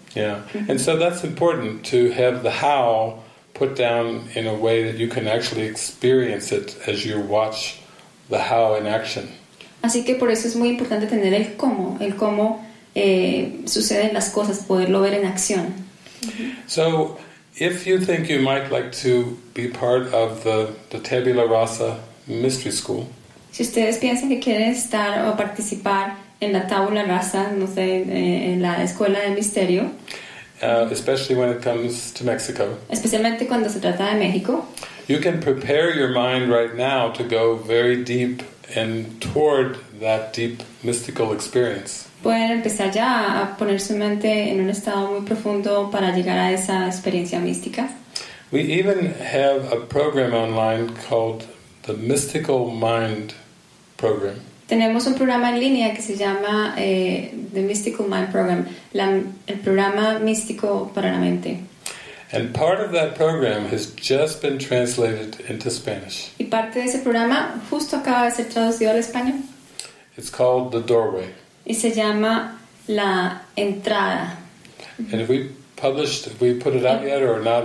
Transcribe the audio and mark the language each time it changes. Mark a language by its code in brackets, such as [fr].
[en] Yeah, and so that's important to have the how put down in a way that you can actually experience it as you watch the how in action. [es] Así que por eso es muy importante tener el cómo suceden las cosas, poderlo ver en acción. [en] So, if you think you might like to be part of the Tabula Rasa Mystery School, [es] si ustedes piensan que quieren estar o participar en la Tabula Rasa, no sé, en la Escuela de Misterio, [en] Especially when it comes to Mexico. [es] Especialmente cuando se trata de México. [en] You can prepare your mind right now to go very deep and toward that deep mystical experience. [es] Pueden empezar ya a poner su mente en un estado muy profundo para llegar a esa experiencia mística. [en] We even have a program online called the Mystical Mind Program. [es] Tenemos un programa en línea que se llama The Mystical Mind Program, el programa místico para la mente. [en] And part of that program has just been translated into Spanish. [es] Y parte de ese programa justo acaba de ser traducido al español. [en] It's called The Doorway. [es] Y se llama La Entrada. [en] And have we published, have we put it out yet or not?